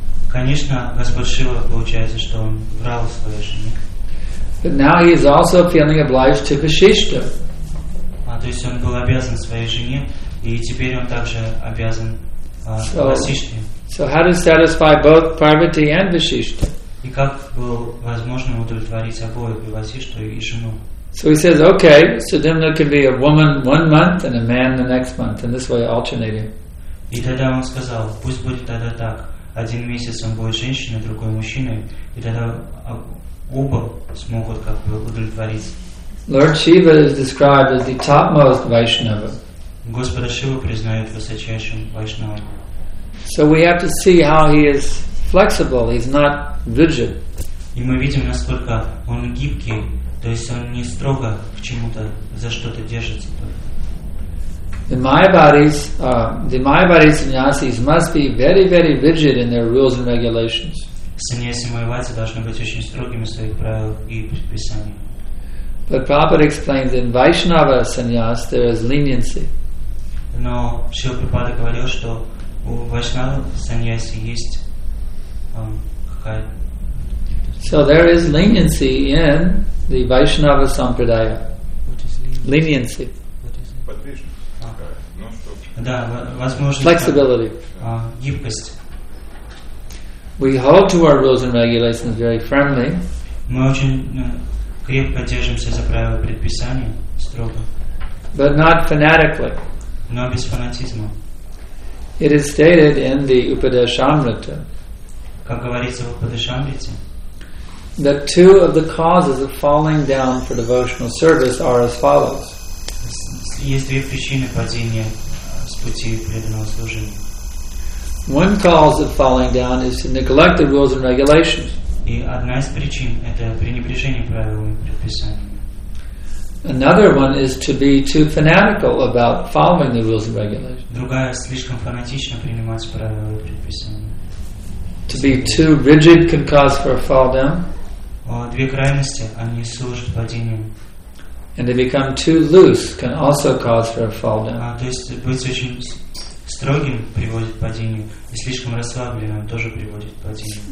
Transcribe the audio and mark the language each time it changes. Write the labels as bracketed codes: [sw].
[ru] Конечно, Господь Шива получается, что он врал своей жене. [en] But now he is also feeling obliged to Васишта. [ru] То есть он был обязан своей жене, и теперь он также обязан Васиште. [en] So how to satisfy both Parvati and Vasishta? [ru] И как было возможно удовлетворить обоих, и Васишту, и жену? [en] So he says, okay, Sudumna could be a woman one month and a man the next month, in this way alternating. [ru] И тогда он сказал, пусть будет тогда так, один месяц он будет женщиной, другой мужчиной, и тогда оба смогут как бы удовлетворить. [en] Lord Shiva is described as the topmost Vaishnava. [ru] Господа Шива признают высочайшим Вайшнавом. [en] So we have to see how he is flexible, he's not rigid. [ru] И мы видим, насколько он гибкий, то есть он не строго к чему-то, за что-то держится. [en] The Mayavadi sannyasis must be very, very rigid in their rules and regulations. [ru] Sannyasi Mayavadi должны быть очень строгими в своих правилах и предписаниях. [en] But Prabhupada explains in Vaishnava sannyas there is leniency. [ru] Но Шрила Прабхупада говорил, что у Вайшнава саньяси есть какая-то. [en] So there is leniency in the Vaishnava Sampradaya. Leniency. [ru] Подвижность. [en] Flexibility. [ru] Гибкость. [en] We hold to our rules and regulations very firmly. [ru] Мы очень крепко держимся за правила предписания, строго. [en] But not fanatically. [ru] Но без фанатизма. [en] It is stated in the Upadeshamrita, [ru] как говорится в Упадешамрите, [en] that two of the causes of falling down for devotional service are as follows. [ru] Есть две причины падения с пути преданного служения. [en] One cause of falling down is to neglect the rules and regulations. [ru] И одна из причин это пренебрежение правилами и предписаниями. [en] Another one is to be too fanatical about following the rules and regulations. [ru] Другая слишком фанатично принимать правила и предписания. [en] To be too rigid can cause for a fall down. [ru] Две крайности они служат падению. [en] And to become too loose can also cause for a fall down. [ru] То есть быть очень строгим приводит к падению, и слишком расслабленным тоже приводит к падению.